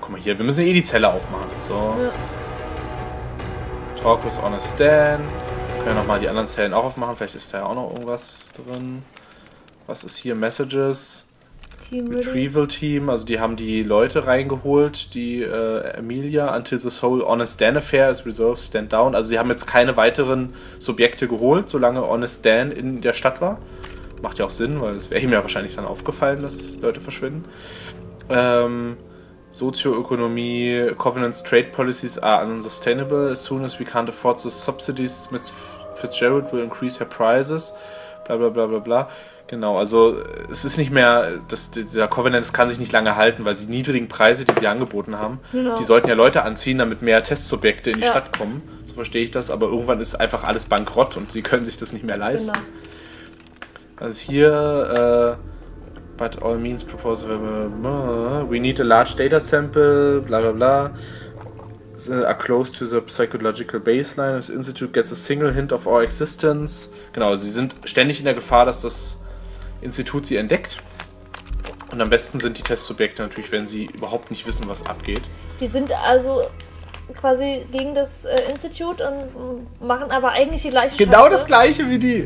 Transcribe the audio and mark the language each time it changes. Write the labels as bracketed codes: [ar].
[de] Guck mal hier, wir müssen eh die Zelle aufmachen. So. Ja. [en] Talk with Honest Dan. [de] Können wir nochmal die anderen Zellen auch aufmachen. Vielleicht ist da ja auch noch irgendwas drin. Was ist hier? Messages. [en] Team ready. Retrieval Team. [de] Also die haben die Leute reingeholt. Die Emilia. [en] Until this whole Honest Dan Affair is resolved, stand down. [de] Also sie haben jetzt keine weiteren Subjekte geholt, solange Honest Dan in der Stadt war. Macht ja auch Sinn, weil es wäre ihm ja wahrscheinlich dann aufgefallen, dass Leute verschwinden. [en] Sozioökonomie, Covenants Trade Policies are unsustainable. As soon as we can't afford the subsidies, Miss Fitzgerald will increase her prices. Bla bla bla bla bla. [de] Genau, also es ist nicht mehr, dieser Covenant kann sich nicht lange halten, weil die niedrigen Preise, die sie angeboten haben, die Genau. sollten ja Leute anziehen, damit mehr Testsubjekte in die Ja. Stadt kommen. So verstehe ich das, aber irgendwann ist einfach alles bankrott und sie können sich das nicht mehr Genau. leisten. Also hier, [en] but all means proposal. We need a large data sample, bla bla bla. Are close to the psychological baseline. This institute gets a single hint of our existence. [de] Genau, sie sind ständig in der Gefahr, dass das Institut sie entdeckt. Und am besten sind die Testsubjekte natürlich, wenn sie überhaupt nicht wissen, was abgeht. Die sind also quasi gegen das Institut und machen aber eigentlich die gleiche Genau das Scheiße. gleiche wie die,